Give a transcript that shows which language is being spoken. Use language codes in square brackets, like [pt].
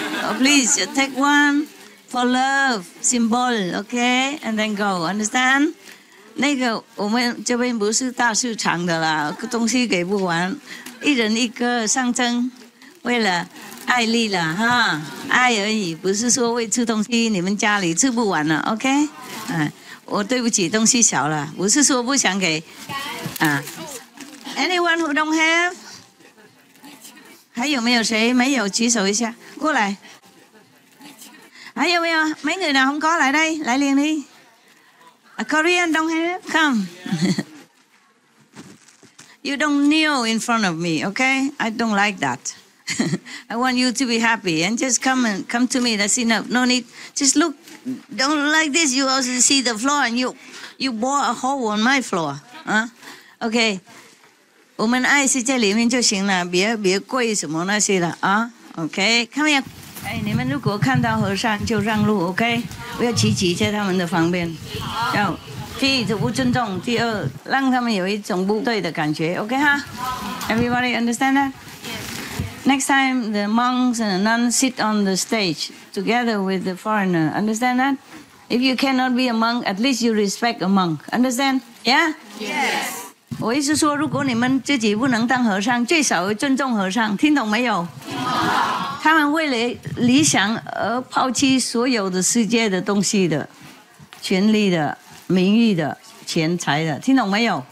[en] Oh, please, you take one for love, symbol, okay? And then go, understand? [zh] 那个我们这边不是大市场的啦，东西给不完，一人一个象征，为了爱丽啦哈，爱而已，不是说为吃东西，你们家里吃不完了 ，OK？我对不起，东西少了，不是说不想给， [en] Anyone who don't have？ [zh] 还有没有谁没有举手一下过来？还有没有美女的红哥来来来领你 ？ [en] A Korean don't have come. You don't kneel in front of me, okay? I don't like that. I want you to be happy and just come to me. That's enough. No need. Just look. Don't like this. You also see the floor and you bore a hole on my floor. Okay. [zh] 我们爱是在里面就行了，别跪什么那些了啊。OK， 看没有？哎，你们如果看到和尚就让路 ，OK， 不要挤在他们的旁边。好。第一，不尊重；第二，让他们有一种不对的感觉 ，OK 哈。 [en] Everybody understand that？ Next time the monks and nuns sit on the stage together with the foreigner. Understand that？ If you cannot be a monk, at least you respect a monk. Understand？ Yeah？ Yes。 [zh] 我意思说，如果你们自己不能当和尚，最少尊重和尚，听懂没有？他们为了理想而抛弃所有的世界的东西的，权力的、名誉的、钱财的，听懂没有？